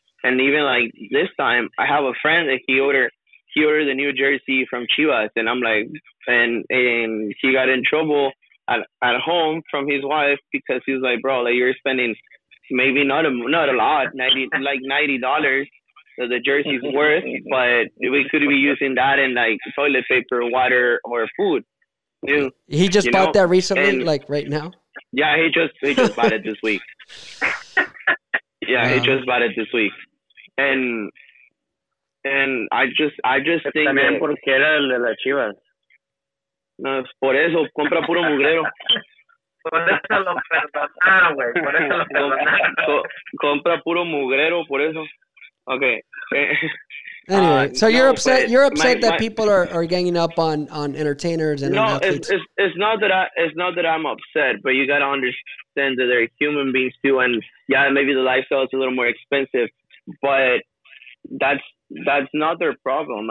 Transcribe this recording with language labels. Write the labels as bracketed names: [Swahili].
[English] And even like this time, I have a friend that he ordered the new jersey from Chivas, and I'm like, and he got in trouble at home from his wife, because he was like, bro, like, you're spending maybe not a lot, $90 that the jersey's worth, but we could be using that in like toilet paper, water, or food. He just bought that recently, and, like right now? Yeah, he just bought it this week. Yeah, he just bought it this week. And I just think [Spanish] también that, porque era el de las Chivas. No, es por eso compra puro mugrero. Por eso lo perdonaron, güey. Por eso lo perdonaron. Compra puro mugrero, por eso. [English] Okay. Anyway, so you're upset. You're upset that people are ganging up on entertainers and athletes. No, it's not that I'm upset, but you gotta understand that they're human beings too, and yeah, maybe the lifestyle is a little more expensive, but that's not their problem.